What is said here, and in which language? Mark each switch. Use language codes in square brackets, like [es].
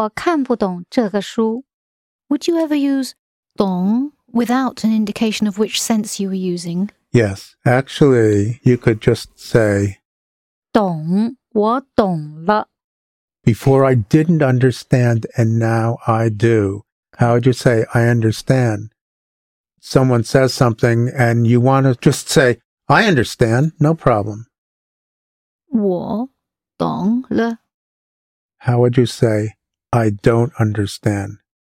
[zh] 我看不懂这个书。我看不懂这个书。我看不懂这个书。 [en] Would you ever use dong without an indication of which sense you were using? Yes, actually, you could just say, [zh] 懂,我懂了。 [en] Before I didn't understand, and now I do. How would you say, I understand? Someone says something, and you want to just say, I understand, no problem. [zh] 我懂了。 [en] How would you say, I don't understand?